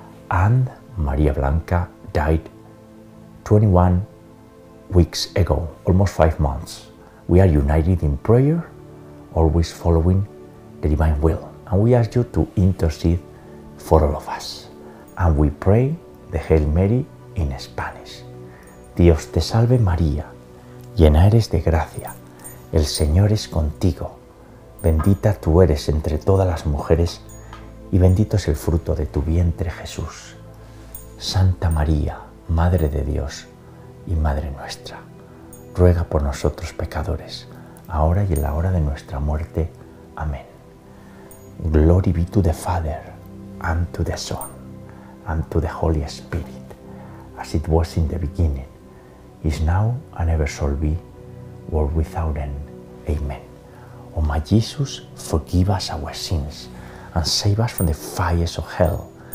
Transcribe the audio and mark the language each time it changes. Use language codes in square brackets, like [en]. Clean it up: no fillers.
[en] And María Blanca died 21 weeks ago, almost 5 months. We are united in prayer, always following the divine will. And we ask you to intercede for all of us. And we pray the Hail Mary in Spanish. [es] Dios te salve María, llena eres de gracia, el Señor es contigo. Bendita tú eres entre todas las mujeres y bendito es el fruto de tu vientre, Jesús. Santa María, Madre de Dios y Madre nuestra, ruega por nosotros pecadores, ahora y en la hora de nuestra muerte. Amén. [en] Glory be to the Father, and to the Son, and to the Holy Spirit, as it was in the beginning, is now, and ever shall be, world without end. Amen. O my Jesus, forgive us our sins, and save us from the fires of hell.